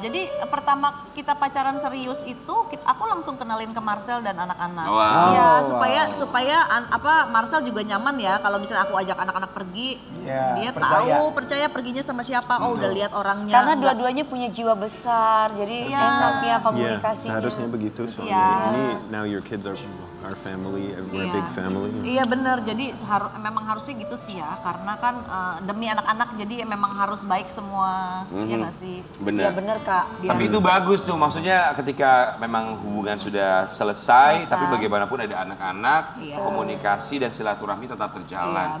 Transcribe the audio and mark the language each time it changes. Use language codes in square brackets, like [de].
[id] Jadi pertama kita pacaran serius itu, aku langsung kenalin ke Marcel dan anak-anak. Supaya Marcel juga nyaman ya kalau misalnya aku ajak anak-anak pergi. Dia percaya perginya sama siapa. Udah lihat orangnya. Karena dua-duanya punya jiwa besar. Jadi komunikasinya. Yeah, seharusnya begitu. [en] Now your kids are family, we're a big family. [id] Iya benar, jadi memang harusnya gitu sih ya, karena kan demi anak-anak jadi memang harus baik semua, ya nggak sih? Benar. Iya benar Kak. Tapi itu bagus tuh, maksudnya ketika memang hubungan sudah selesai, tapi bagaimanapun ada anak-anak, komunikasi dan silaturahmi tetap terjalan.